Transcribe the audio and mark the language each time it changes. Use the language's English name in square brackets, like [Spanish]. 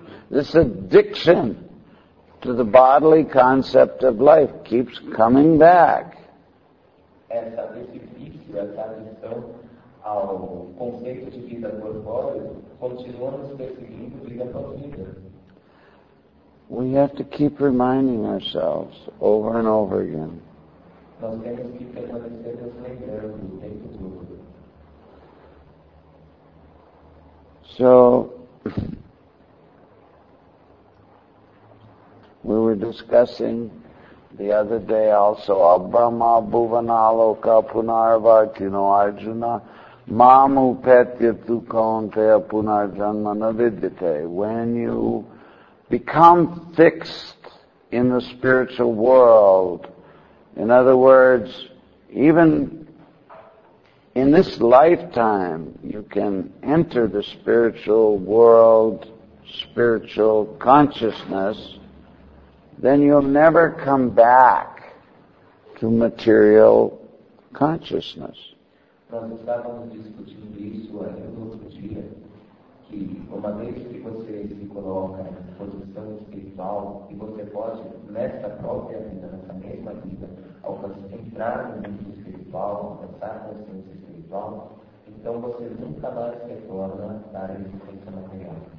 [English] This addiction to the bodily concept of life keeps coming back. [Portuguese] Essa deficiência, essa adição ao conceito de vida corpórea, continua nos perseguindo vida após vida. [English] We have to keep reminding ourselves over and over again. [Portuguese] Nós temos que permanecer nos lembrando o tempo todo. [English] So, we were discussing the other day also [Sanskrit] Abrahma Bhuvanaloka Punarvat, [English] you know, [Sanskrit] Arjuna Mamu Petya Tukantaya Punarjanma Navidyate. [English] When you become fixed in the spiritual world, in other words, even in this lifetime, you can enter the spiritual world, spiritual consciousness, then you'll never come back to material consciousness. [Portuguese] Nós estávamos discutindo isso aí no outro dia, que uma vez que você se coloca em posição espiritual, e você pode, nessa própria vida, nessa mesma vida, alcançar, entrar no mundo espiritual, alcançar a consciência espiritual, então você nunca mais retorna para a existência material.